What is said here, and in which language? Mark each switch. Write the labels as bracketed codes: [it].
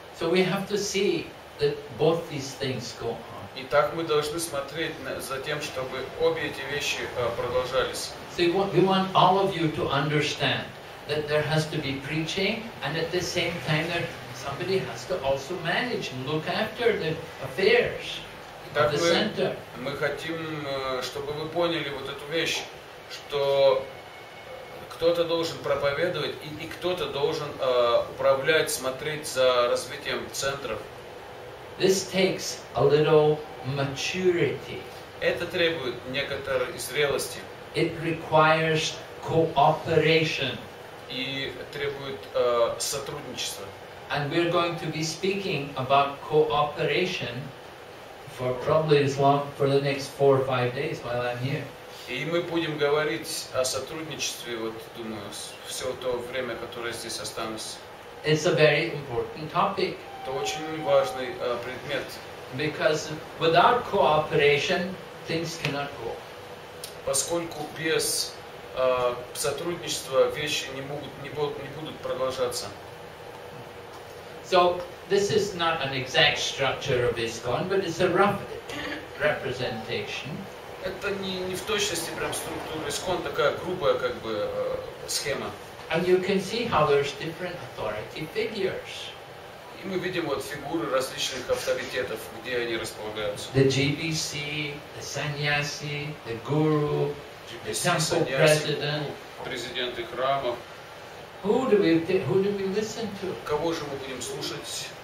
[en] So we have to see that both these things go on. [ru] Итак, мы должны смотреть за тем, чтобы обе эти вещи продолжались. [en] See, we want all of you to understand that there has to be preaching, and at the same time there somebody has to also manage and look after the affairs of the center. [ru] Мы хотим, чтобы вы поняли вот эту вещь, что кто-то должен проповедовать и кто-то должен управлять, смотреть за развитием центров. [en] This takes a little maturity. [ru] Это требует некоторой зрелости. [en] It requires cooperation. [ru] И требует сотрудничества. [en] And we're going to be speaking about cooperation for probably as long for the next 4 or 5 days while I'm here. [ru] И мы будем говорить о сотрудничестве, вот думаю, все то время, которое здесь останусь. [en] It's a very important topic. [ru] Это очень важный предмет. [en] Because without cooperation, things cannot go. [ru] Поскольку без сотрудничества вещи не будут продолжаться. [en] So this is not an exact structure of ISKCON, but it's a rough representation. [ru] Это не в точности прям структура ISKCON, такая грубая как бы схема. [en] And you can see how there's different authority figures. [ru] И мы видим вот фигуры различных авторитетов, где они располагаются. [en] The GBC, the sannyasi, the guru, [ru] GBC, [en] the temple sannyasi, president. [ru] Президенты храма. [en] Who do we listen to? [ru] Кого же мы будем слушать?